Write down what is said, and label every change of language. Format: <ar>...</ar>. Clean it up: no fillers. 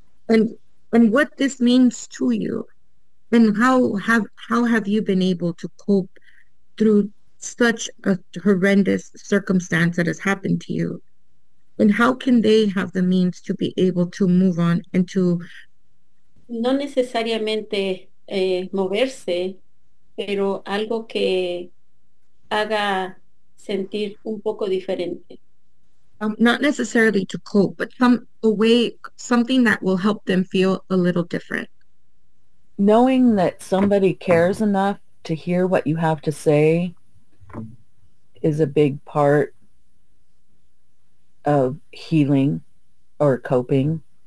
<en>And what this means to you, and how have you been able to cope through such a horrendous circumstance that has happened to you? And how can they have the means to be able to move on and to</en> <es>No necesariamente moverse, pero algo que haga sentir un poco diferente.</es> <en>Not necessarily to cope, but something that will help them feel a little different. Knowing that somebody cares enough to hear what you have to say is a big part of healing or coping.</en>